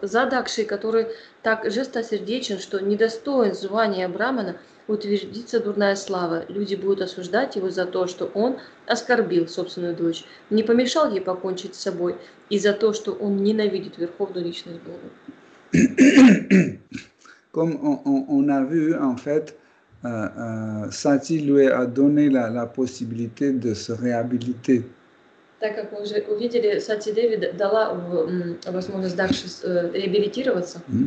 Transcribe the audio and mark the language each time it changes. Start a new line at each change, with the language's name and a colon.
Russian: За Дакшей, который так жестосердечен, что недостоин звания брахмана, утвердится дурная слава. Люди будут осуждать его за то, что он оскорбил собственную дочь, не помешал ей покончить с собой, и за то, что он ненавидит верховную личность Бога.
French: Comme on a vu, en fait, Сати lui a donné la possibilité de se réhabiliter.
Russian: Так как мы уже увидели, Сати Деви дала возможность дальше реабилитироваться.